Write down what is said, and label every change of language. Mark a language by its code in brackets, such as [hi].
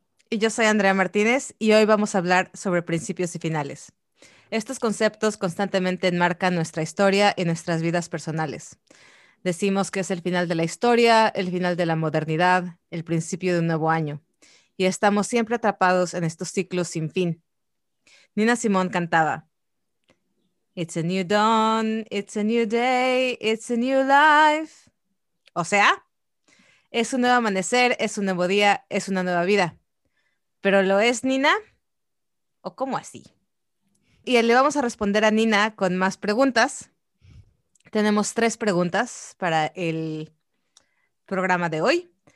[es] Y yo soy Andrea Martínez y hoy vamos a hablar sobre principios y finales. Estos conceptos constantemente enmarcan nuestra historia y nuestras vidas personales. Decimos que es el final de la historia, el final de la modernidad, el principio de un nuevo año. Y estamos siempre atrapados en estos ciclos sin fin. Nina Simone cantaba: [en] It's a new dawn, it's a new day, it's a new life. [es] O sea, es un nuevo amanecer, es un nuevo día, es una nueva vida. ¿Pero lo es, Nina? ¿O cómo así? Y le vamos a responder a Nina con más preguntas. Tenemos tres preguntas para el programa de hoy.